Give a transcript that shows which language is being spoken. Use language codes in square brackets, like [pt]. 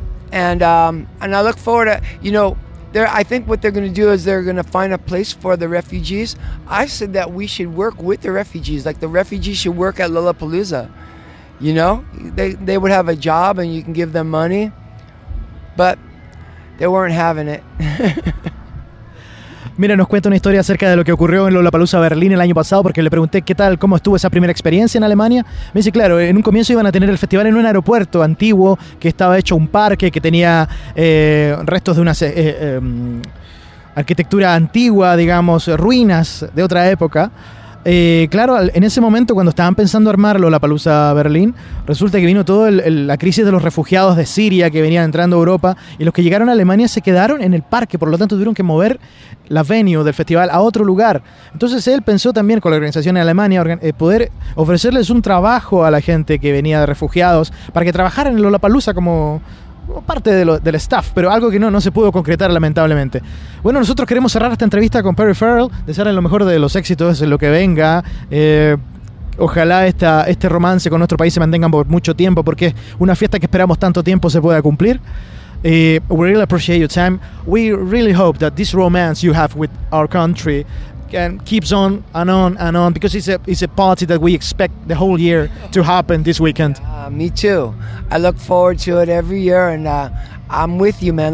[en] And I look forward to, you know, I think what they're going to do is they're going to find a place for the refugees. I said that we should work with the refugees. Like, the refugees should work at Lollapalooza. You know? They would have a job and you can give them money. But they weren't having it. [es] Mira, nos cuenta una historia acerca de lo que ocurrió en Lollapalooza Berlín el año pasado, porque le pregunté qué tal, cómo estuvo esa primera experiencia en Alemania. Me dice, claro, en un comienzo iban a tener el festival en un aeropuerto antiguo que estaba hecho un parque, que tenía restos de una arquitectura antigua, digamos, ruinas de otra época. Claro, en ese momento, cuando estaban pensando armar Lollapalooza Berlín, resulta que vino toda la crisis de los refugiados de Siria que venían entrando a Europa, y los que llegaron a Alemania se quedaron en el parque, por lo tanto tuvieron que mover la venue del festival a otro lugar. Entonces él pensó también con la organización en Alemania poder ofrecerles un trabajo a la gente que venía de refugiados para que trabajaran en Lollapalooza como parte del staff, pero algo que no se pudo concretar, lamentablemente. Bueno, nosotros queremos cerrar esta entrevista con Perry Farrell, desearle lo mejor de los éxitos en lo que venga. Ojalá este romance con nuestro país se mantenga por mucho tiempo, porque una fiesta que esperamos tanto tiempo se pueda cumplir. [en] We really appreciate your time. We really hope that this romance you have with our country and keeps on and on and on, because it's a party that we expect the whole year to happen this weekend. Me too. I look forward to it every year, and I'm with you, man.